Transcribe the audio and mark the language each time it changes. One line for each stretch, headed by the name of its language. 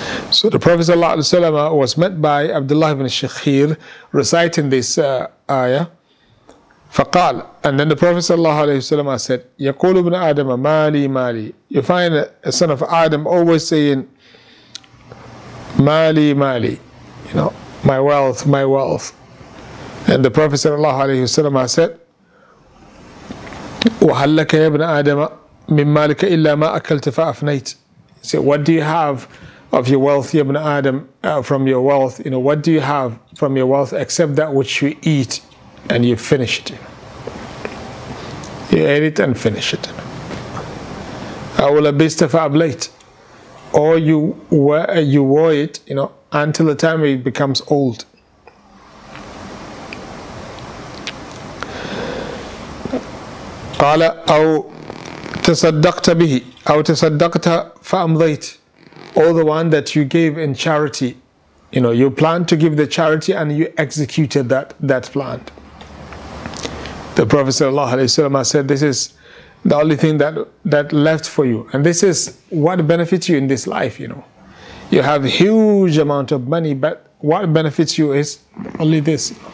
English: So the Prophet sallallahu alaihi wasallam was met by Abdullah ibn Shakhir reciting this ayah. فقال, and then the Prophet sallallahu alaihi wasallam said,
Arabic: يقول ابن آدم مالي مالي.
English: You find a son of Adam always saying
Arabic: مالي مالي,
English: you know, my wealth, my wealth. And the Prophet sallallahu alaihi wasallam said,
Arabic: وهل لك يا ابن آدم من مالك إلا ما أكلت فأفنيت.
English: He said, what do you have of your wealth, يا ابن آدم, from your wealth, you know, what do you have from your wealth except that which you eat and you finish it? You ate it and finish it.
Arabic: أو لبست فأبليت.
English: Or you wore it, you know, until the time it becomes old.
Arabic: قال أو تصدقت به أو تصدقت فأمضيت.
English: Or the one that you gave in charity, you know, you planned to give the charity and you executed that plan. The Prophet sallallahu alaihi wasallam said, this is the only thing that left for you. And this is what benefits you in this life, you know. You have a huge amount of money, but what benefits you is only this.